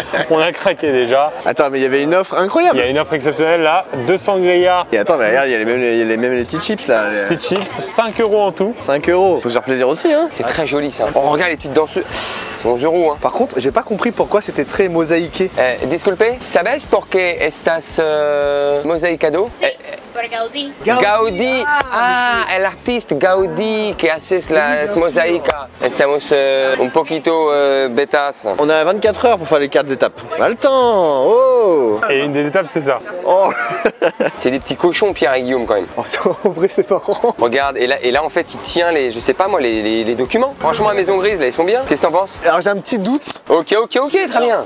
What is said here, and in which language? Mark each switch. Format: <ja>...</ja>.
<fr>On a craqué déjà. Attends, mais il y avait une offre incroyable. Il y a une offre exceptionnelle là, 200 grillas. Et attends, mais regarde, il y a les mêmes petits chips là. Les... Petits chips, 5 euros en tout. 5 euros, faut se faire plaisir aussi, hein. C'est très joli ça. Oh, regarde les petites danseuses. C'est 11 euros, hein. Par contre, j'ai pas compris pourquoi c'était très mosaïqué.</fr> <es>Disculpe, ¿sabes por qué estas mosaicado? Sí. Gaudí. Ah, el artista Gaudí que hace las mosaicas. Estamos un poquito betas.</es> <fr>On a 24 heures pour faire les 4 étapes. Pas le temps. Oh. Et une des étapes, c'est ça. Oh. C'est des petits cochons, Pierre et Guillaume, quand même. En vrai, c'est pas grand. Regarde, et là, en fait, il tient les, je sais pas moi, les documents. Franchement, à Maison Grise, là, ils sont bien. Qu'est-ce que t'en penses? Alors, j'ai un petit doute. Ok, très bien.</fr>